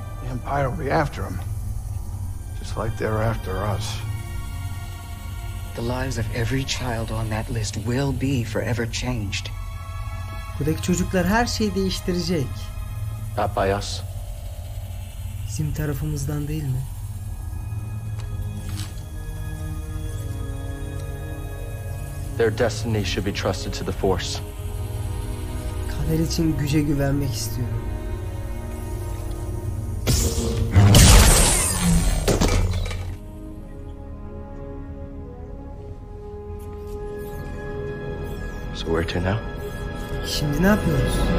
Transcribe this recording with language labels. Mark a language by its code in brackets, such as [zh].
[en] Empire will be after them, just like they're after us. The lives of every child on that list will be forever changed. [tr] Buradaki çocuklar her şeyi değiştirecek. [en] Not by us. [tr] Bizim tarafımızdan değil mi? [en] Their destiny should be trusted to the Force. [tr] Kader için güce güvenmek istiyorum. [en] So where to now? [tr] Şimdi ne yapıyoruz?